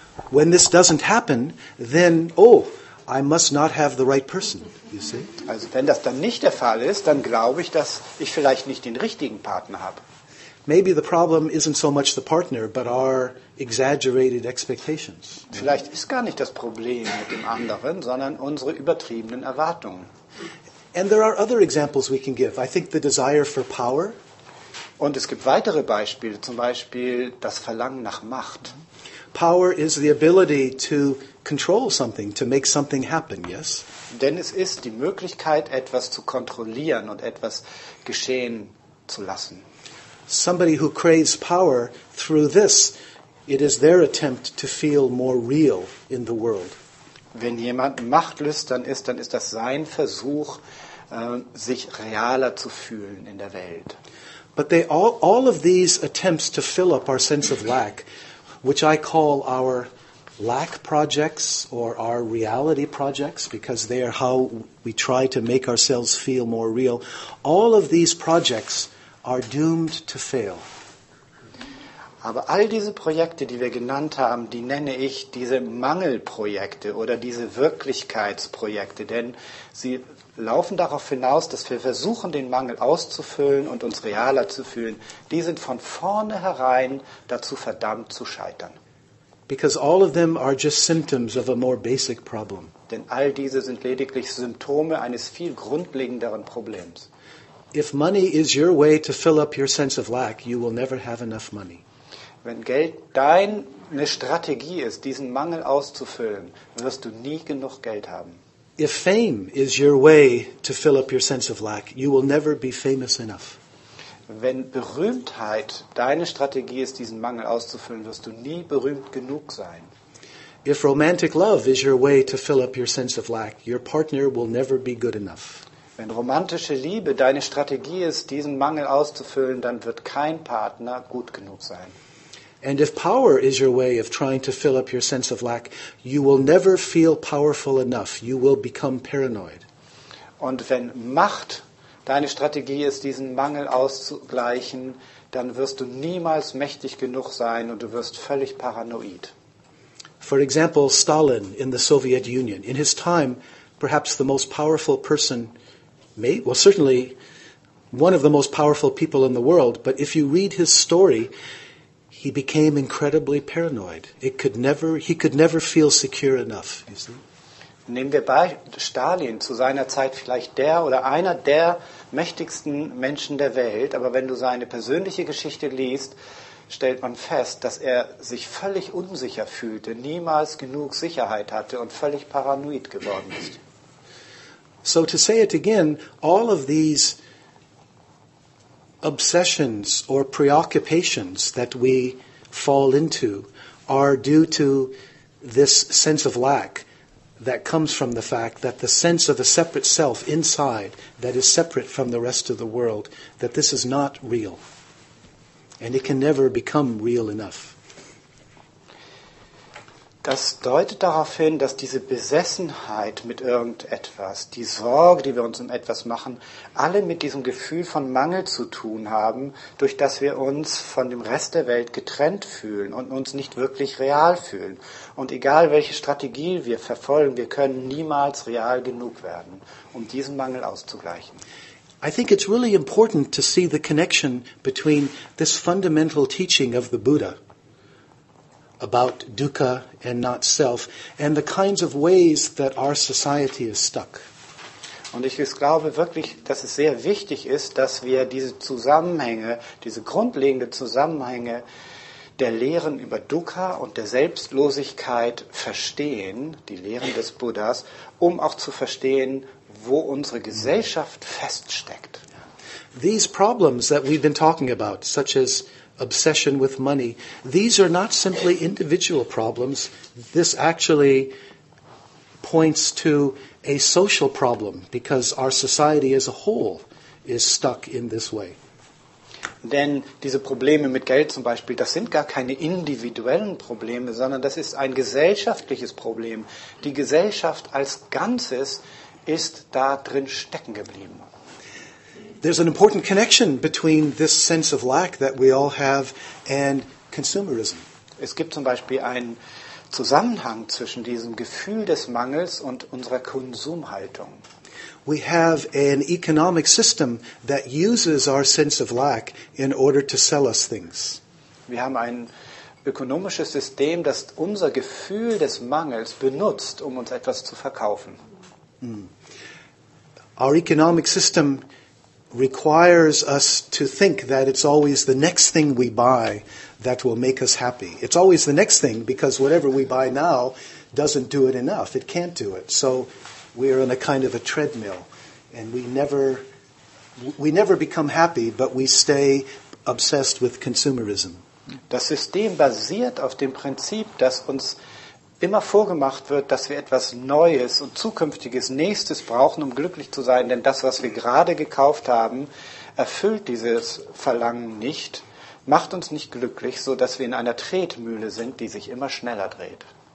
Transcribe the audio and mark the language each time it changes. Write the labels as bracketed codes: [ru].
[en] When this doesn't happen, then oh, I must not have the right person, you see? [de] Also, wenn das dann nicht der Fall ist, dann glaube ich, dass ich vielleicht nicht den richtigen Partner habe. [en] Maybe the problem isn't so much the partner, but our exaggerated expectations. [de] Vielleicht ist gar nicht das Problem mit dem anderen, sondern unsere übertriebenen Erwartungen. [en] And there are other examples we can give. I think the desire for power. [de] Und es gibt weitere Beispiele, zum Beispiel das Verlangen nach Macht. [en] Power is the ability to control something, to make something happen, yes? [de] Denn es ist die Möglichkeit, etwas zu kontrollieren und etwas geschehen zu lassen. [en] Somebody who craves power, through this, it is their attempt to feel more real in the world. [de] Wenn jemand machtlüstern ist, dann ist das sein Versuch, sich realer zu fühlen in der Welt. [en] But they all of these attempts to fill up our sense of lack, which I call our lack projects or our reality projects, because they are how we try to make ourselves feel more real. All of these projects are doomed to fail. [de] Aber all diese Projekte, die wir genannt haben, die nenne ich diese Mangelprojekte oder diese Wirklichkeitsprojekte, denn sie laufen darauf hinaus, dass wir versuchen, den Mangel auszufüllen und uns realer zu fühlen. Die sind von vornherein dazu verdammt zu scheitern. [en] Because all of them are just symptoms of a more basic problem. [de] Denn all diese sind lediglich Symptome eines viel grundlegenderen Problems. [en] If money is your way to fill up your sense of lack, you will never have enough money. [de] Wenn Geld deine Strategie ist, diesen Mangel auszufüllen, wirst du nie genug Geld haben. [en] If fame is your way to fill up your sense of lack, you will never be famous enough. [de] Wenn Berühmtheit deine Strategie ist, diesen Mangel auszufüllen, wirst du nie berühmt genug sein. [en] If romantic love is your way to fill up your sense of lack, your partner will never be good enough. [de] Wenn romantische Liebe deine Strategie ist, diesen Mangel auszufüllen, dann wird kein Partner gut genug sein. [en] And if power is your way of trying to fill up your sense of lack, you will never feel powerful enough. You will become paranoid. [de] Und wenn Macht deine Strategie ist, diesen Mangel auszugleichen, dann wirst du niemals mächtig genug sein und du wirst völlig paranoid. [en] For example, Stalin in the Soviet Union. In his time, perhaps the most powerful person, certainly one of the most powerful people in the world, but if you read his story, he became incredibly paranoid. He could never feel secure enough, you see? [de] Nehmen wir bei Stalin, zu seiner Zeit vielleicht der oder einer der mächtigsten Menschen der Welt, aber wenn du seine persönliche Geschichte liest, stellt man fest, dass er sich völlig unsicher fühlte, niemals genug Sicherheit hatte und völlig paranoid geworden ist. [en] So to say it again, all of these obsessions or preoccupations that we fall into are due to this sense of lack that comes from the fact that the sense of a separate self inside that is separate from the rest of the world, that this is not real. And it can never become real enough. [de] Das deutet darauf hin, dass diese Besessenheit mit irgendetwas, die Sorge, die wir uns um etwas machen, alle mit diesem Gefühl von Mangel zu tun haben, durch das wir uns von dem Rest der Welt getrennt fühlen und uns nicht wirklich real fühlen. Und egal, welche Strategie wir verfolgen, wir können niemals real genug werden, um diesen Mangel auszugleichen. [en] I think it's really important to see the connection between this fundamental teaching of the Buddha about dukkha and not self, and the kinds of ways that our society is stuck. [de] Und ich glaube wirklich, dass es sehr wichtig ist, dass wir diese Zusammenhänge, diese grundlegenden Zusammenhänge der Lehren über dukkha und der Selbstlosigkeit verstehen, die Lehren des Buddhas, um auch zu verstehen, wo unsere Gesellschaft feststeckt. [en] These problems that we've been talking about, such as obsession with money. These are not simply individual problems. This actually points to a social problem, because our society as a whole is stuck in this way. [de] Denn diese Probleme mit Geld zum Beispiel, das sind gar keine individuellen Probleme, sondern das ist ein gesellschaftliches Problem. Die Gesellschaft als Ganzes ist da drin stecken geblieben. [en] There's an important connection between this sense of lack that we all have and consumerism. [de] Es gibt zum Beispiel einen Zusammenhang zwischen diesem Gefühl des Mangels und unserer Konsumhaltung. [en] We have an economic system that uses our sense of lack in order to sell us things. [de] Wir haben ein ökonomisches System, das unser Gefühl des Mangels benutzt, um uns etwas zu verkaufen. [en] Our economic system requires us to think that it's always the next thing we buy that will make us happy. It's always the next thing, because whatever we buy now doesn't do it enough. It can't do it. So we are in a kind of a treadmill, and we never become happy, but we stay obsessed with consumerism. [de] Das System basiert auf dem Prinzip, dass uns immer vorgemacht wird, dass wir etwas Neues und Zukünftiges, Nächstes brauchen, um glücklich zu sein, denn das, was wir gerade gekauft haben, erfüllt dieses Verlangen nicht, macht uns nicht glücklich, so dass wir in einer Tretmühle sind, die sich immer schneller dreht.